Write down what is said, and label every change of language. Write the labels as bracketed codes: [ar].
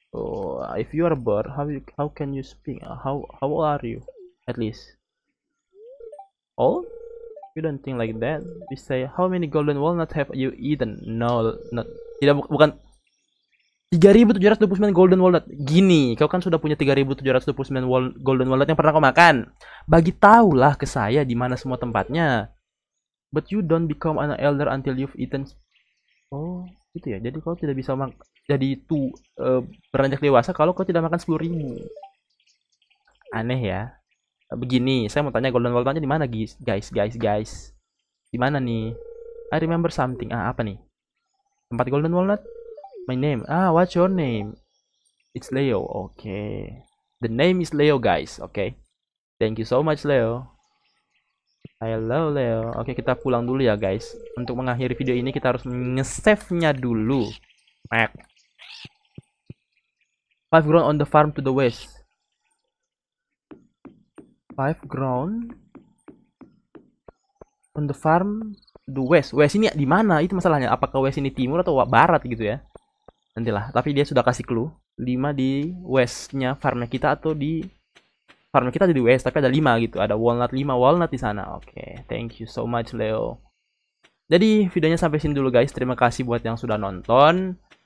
[en] Oh, if you are a bird, how can you speak? How old are you, at least? Old? You don't think like that. We say, how many golden walnuts have you eaten? No, not. [id] Tidak, bukan. 3729 golden walnut. Gini, kau kan sudah punya 3729 golden walnut yang pernah kau makan. Bagi tahulah ke saya di mana semua tempatnya. [en] But you don't become an elder until you've eaten. [id] Oh, gitu ya. Jadi kau tidak bisa jadi itu beranjak dewasa kalau kau tidak makan 10.000. Aneh ya. Begini, saya mau tanya golden walnutnya di mana, guys? Guys, guys, guys. Di mana nih? [en] I remember something. [id] Ah, apa nih? Tempat golden walnut. [en] My name. Ah, what's your name? It's Leo. Okay. The name is Leo, guys. Okay. Thank you so much, Leo. Hello, Leo. [id] Okay, kita pulang dulu ya, guys. Untuk mengakhiri video ini, kita harus nge-save-nya dulu. Mac. [en] Five ground on the farm to the west. Five ground on the farm to the west. [id] West ini di mana? Itu masalahnya. Apakah west ini timur atau barat gitu ya? Nantilah, tapi dia sudah kasih clue. 5 di westnya farmnya kita atau di farmnya kita ada di west, tapi ada 5 gitu. Ada walnut 5 walnut di sana. Oke, okay. [en] Thank you so much, Leo. [id] Jadi videonya sampai sini dulu, guys. Terima kasih buat yang sudah nonton.